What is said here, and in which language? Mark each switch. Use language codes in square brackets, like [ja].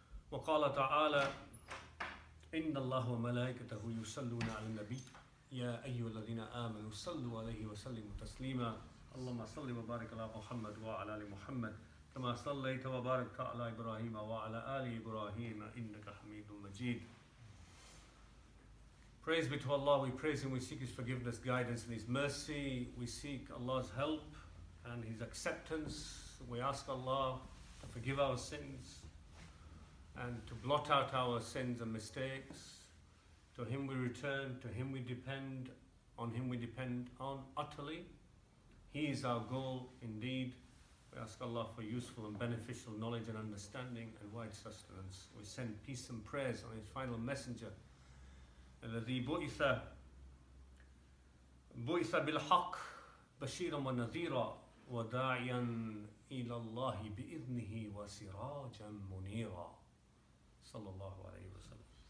[ar] وقال تعالى: إن الله وملائكته يصلون على النبي، يا أيها الذين آمنوا صلوا عليه وسلموا تسليما. اللهم صل وبارك على محمد وعلى آل محمد، كما صليت وباركت على إبراهيم وعلى آل إبراهيم، إنك حميد مجيد. [en] Praise be to Allah, we praise Him, we seek His forgiveness, guidance and His mercy. We seek Allah's help and His acceptance. We ask Allah to forgive our sins and to blot out our sins and mistakes. To Him we return, to Him we depend, on Him we depend on utterly. He is our goal indeed. We ask Allah for useful and beneficial knowledge and understanding and wide sustenance. We send peace and prayers on His final messenger, [ar] الذي بعث بالحق بشيرا ونذيرا وداعيا إلى الله بإذنه وسراجا منيرا صلى الله عليه وسلم.